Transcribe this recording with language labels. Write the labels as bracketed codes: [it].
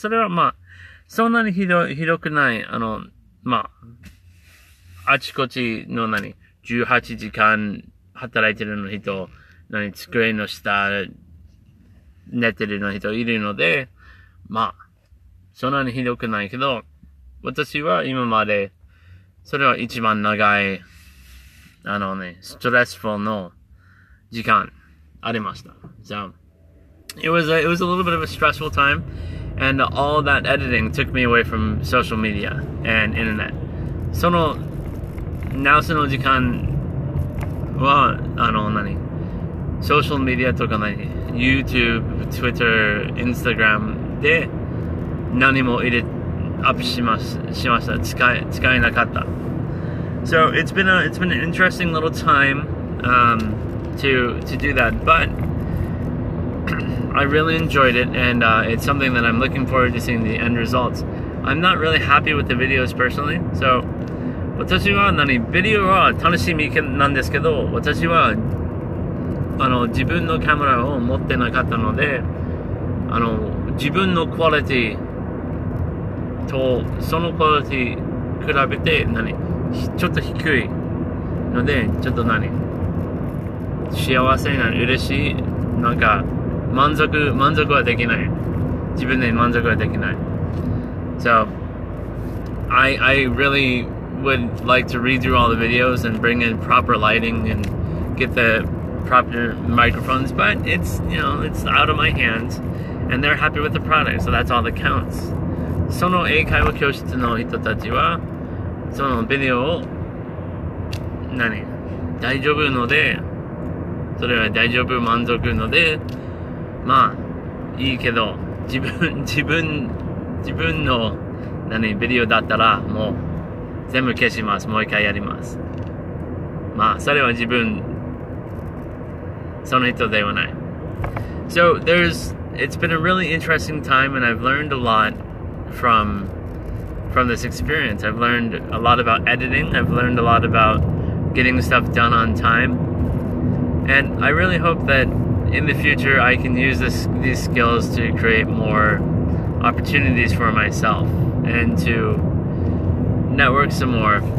[ja] それはまあそんなにひどくない、まああちこちの何18時間働いてるの人、何机の下寝てるの人いるので、まあそんなにひどくないけど、私は今まで、それは一番長い、ストレスフルの時間ありました。 [en] So, it was a little bit of a stressful time, and all that editing took me away from social media and internet. [ja] その、ナウスの時間は、何、ソーシャルメディアとか何、YouTube、Twitter、Instagram で、何も入れ、アップしました。使えなかった。 [en] So it's been an interesting little time, to do that. But I really enjoyed it, and it's something that I'm looking forward to seeing the end results. I'm not really happy with the videos personally. [ja] So 私は何ビデオは楽しみなんですけど、私は自分のカメラを持ってなかったので、自分のクオリティとそのクオリティ比べて何ちょっと低いので、ちょっと何幸せな、嬉しい、なんか満足はできない、自分で満足はできない。 [en] So I really would like to redo all the videos and bring in proper lighting and get the proper microphones, but it's, you know, it's out of my hands, and they're happy with the product, so that's all that counts. [ja] その英会話教室の人たちはそのビデオを何大丈夫ので、それは大丈夫、満足ので、まあいいけど、自分の何ビデオだったらもう全部消します、もう一回やります。まあそれは自分、その人ではない。 [en] So it's been a really interesting time, and I've learned a lot from this experience. I've learned a lot about editing. I've learned a lot about getting stuff done on time. And I really hope that in the future I can use these skills to create more opportunities for myself and to network some more.